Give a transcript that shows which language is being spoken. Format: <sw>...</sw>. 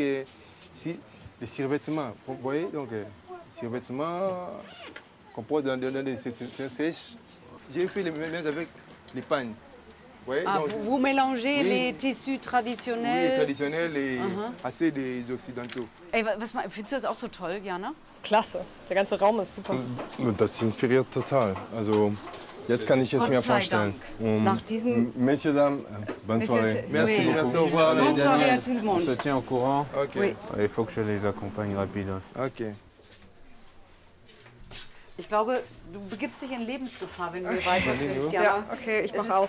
<fr>Et ici les survêtements. Vous voyez donc survêtements qu'on porte dans des sèches. J'ai fait les mêmes avec les pagnes. Ouais, vous mélangez les tissus traditionnels. Oui, traditionnels et assez des occidentaux.</fr> <de>Ey, was findest du das auch so toll, Jana? Klasse. Der ganze Raum ist super. Das inspiriert total. Also, jetzt kann ich es Gott mir vorstellen. Dank. Nach diesem</de> <fr>Messieurs, dames, bonne soirée. Merci beaucoup. Bonne soirée à tout le monde. On se tient au courant. Okay. Oui. Il faut que je les accompagne rapidement. OK.</fr> <de>Ich glaube, du begibst dich in Lebensgefahr, wenn du hier weiterfährst, Jana. Ja, okay, ich mach aus.</de>